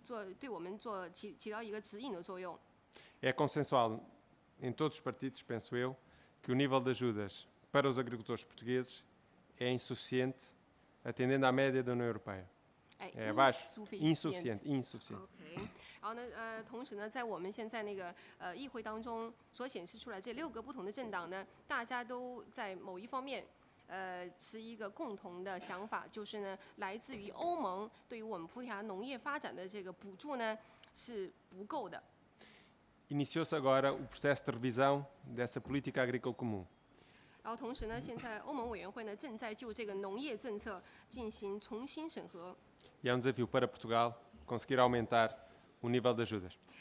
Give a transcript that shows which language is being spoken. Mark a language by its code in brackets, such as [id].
[zh] 然后同时呢，提醒大家一下，我们这个葡萄牙呢虽然是这个欧盟的成员国，所以呢，我们在这个农业方面呢，我们有一个大政策，做对我们做起到一个指引的作用。 [pt] É consensual em todos os partidos, penso eu, que o nível de ajudas para os agricultores portugueses é insuficiente, atendendo à média da União Europeia. É baixo, insuficiente. Ok. [zh] 然后呢，同时呢，在我们现在那个议会当中所显示出来这六个不同的政党呢，大家都在某一方面持一个共同的想法，就是呢，来自于欧盟对于我们葡萄牙农业发展的这个补助呢是不够的。 [pt] Iniciou-se agora o processo de revisão dessa política agrícola comum. [zh] 然后同时呢，现在欧盟委员会呢正在就这个农业政策进行重新审核。 [pt] E é um desafio para Portugal conseguir aumentar o nível de ajudas.